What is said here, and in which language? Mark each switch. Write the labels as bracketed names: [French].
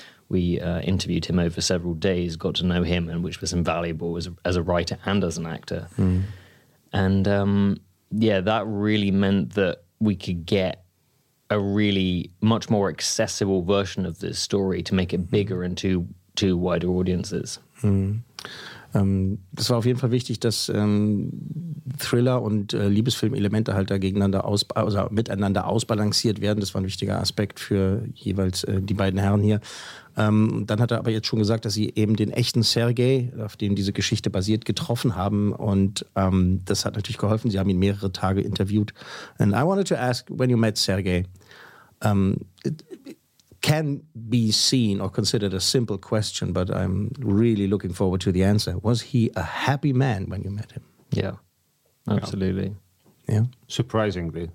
[English] We interviewed him over several days, got to know him, and which was invaluable as a writer and as an actor. Mm. And, that really meant that we could get a really much more accessible version of this story to make it bigger and to wider audiences. Mm. [German] Das war auf jeden Fall wichtig, dass Thriller und Liebesfilmelemente halt da gegeneinander miteinander ausbalanciert werden. Das war ein wichtiger Aspekt für jeweils die beiden Herren hier. Dann hat er aber jetzt schon gesagt, dass sie eben den echten Sergei, auf dem diese Geschichte basiert, getroffen haben. Und das hat natürlich geholfen. Sie haben ihn mehrere Tage interviewt. [English] And I wanted to ask, when you met Sergei, can be seen or considered a simple question, but I'm really looking forward to the answer. Was he a happy man when you met him? Yeah, absolutely. Yeah. Surprisingly.